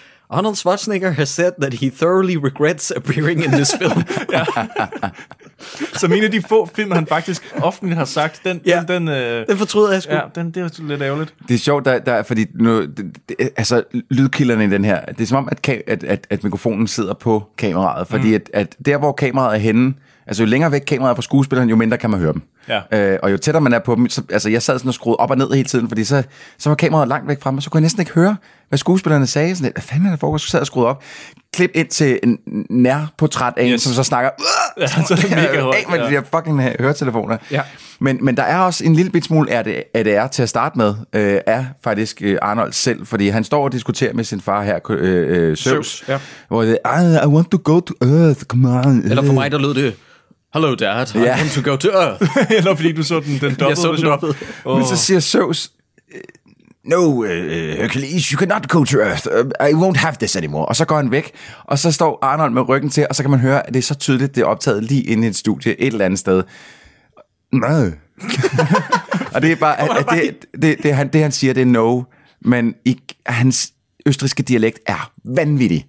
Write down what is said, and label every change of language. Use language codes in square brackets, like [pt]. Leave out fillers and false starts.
[en] Arnold Schwarzenegger has said that he thoroughly regrets appearing in this film. [da] Så en af de få film, han faktisk offentligt har sagt, den, ja, den fortryder jeg sgu. Ja, den, det er lidt ærgerligt. Det er sjovt, fordi nu, altså lydkilderne i den her, det er som om, at mikrofonen sidder på kameraet, fordi at der, hvor kameraet er henne, altså jo længere væk kameraet er fra skuespilleren, jo mindre kan man høre dem. Ja. Og jo tættere man er på dem, så, altså jeg sad sådan og skruede op og ned hele tiden, fordi så var kameraet langt væk fra mig, så kunne jeg næsten ikke høre, hvad skuespillerne sagde. Sådan lidt, hvad fanden er der for, at jeg sad og skruede op? Klip ind til en nærportræt af en, yes, som så snakker, ja, så mega hurtigt, af med de der fucking høretelefoner. Ja. Men der er også en lille bit smule, er det til at starte med, er faktisk Arnold selv, fordi han står og diskuterer med sin far her, Zeus, ja, hvor det er, [en] I want to go to Earth, come on. [da] Eller for mig, der lød det, [en] hello dad, I want to go to Earth. [da] Eller fordi du så den dobbelt. Jeg så den dobbelt. Oh. Men så siger [en] Zeus, no, Hercules, you cannot go to Earth. I won't have this anymore. [da] Og så går han væk, og så står Arnold med ryggen til, og så kan man høre, at det er så tydeligt, det er optaget lige inde i et studie et eller andet sted. No. Og det er bare, han siger, det er no, men hans østrigske dialekt er vanvittig,